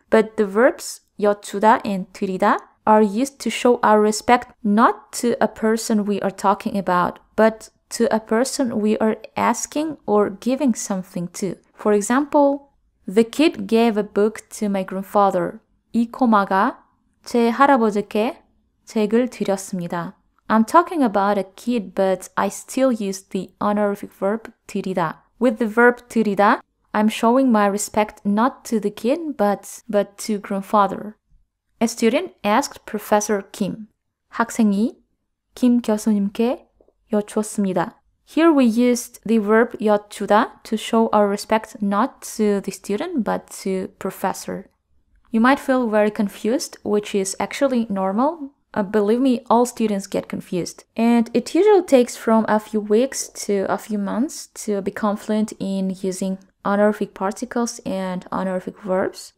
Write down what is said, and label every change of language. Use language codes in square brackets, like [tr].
[en] But the verbs 여쭈다 and 드리다 are used to show our respect not to a person we are talking about, but to a person we are asking or giving something to. For example, the kid gave a book to my grandfather. [ko] 이 꼬마가 제 할아버지께 책을 드렸습니다. [en] I'm talking about a kid, but I still use the honorific verb 드리다. With the verb 드리다, I'm showing my respect not to the kid, but to grandfather. A student asked Professor Kim. [ko] 학생이 김 교수님께 여쭈었습니다. [en] Here we used the verb 여쭈다 to show our respect not to the student, but to professor. You might feel very confused, which is actually normal. Believe me, all students get confused. And it usually takes from a few weeks to a few months to become fluent in using honorific particles and honorific verbs.